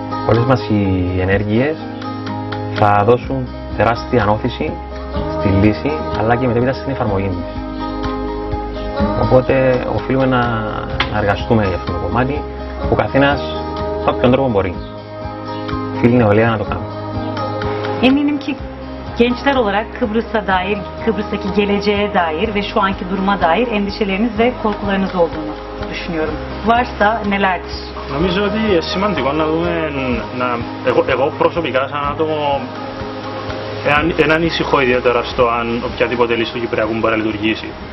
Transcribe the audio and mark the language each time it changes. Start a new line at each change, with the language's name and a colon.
Greek: Όλες μας οι ενέργειες θα δώσουν τεράστια ανώθηση στη λύση, αλλά και μετέπειτα στην εφαρμογή της. Οπότε οφείλουμε να εργαστούμε για αυτό το κομμάτι, που καθένας με όποιον τρόπο μπορεί. Φίλοι νεολαία να το κάνουμε.
Turkish: Eminim ki gençler olarak Kıbrıs'a dair, Kıbrıs'taki geleceğe dair ve şu anki duruma dair endişeleriniz ve korkularınız olduğunu düşünüyorum. Varsa nelerdir?
Greek: Νομίζω ότι σημαντικό να δούμε, εγώ προσωπικά σαν άτομο, έναν ήσυχο ιδιαίτερα στο αν οποιαδήποτε λύση του Κυπριακού μπορεί να λειτουργήσει.